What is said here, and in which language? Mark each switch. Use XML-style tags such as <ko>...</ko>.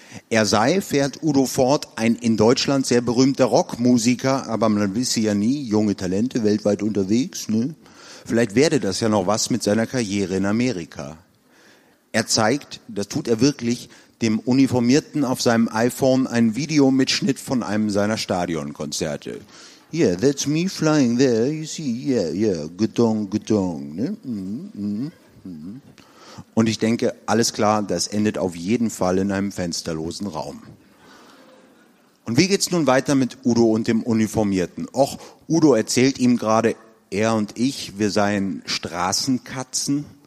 <de>Er sei, fährt Udo fort, ein in Deutschland sehr berühmter Rockmusiker, aber man wisse ja nie, junge Talente weltweit unterwegs. Ne? Vielleicht werde das ja noch was mit seiner Karriere in Amerika. Er zeigt, das tut er wirklich, dem Uniformierten auf seinem iPhone einen Videomitschnitt von einem seiner Stadionkonzerte.</de> <en>Yeah, that's me flying there, you see, yeah, yeah, gudong, gudong.</en> <de>Ne? Und ich denke, alles klar, das endet auf jeden Fall in einem fensterlosen Raum. Und wie geht's nun weiter mit Udo und dem Uniformierten? Och, Udo erzählt ihm gerade, er und ich, wir seien Straßenkatzen.</de>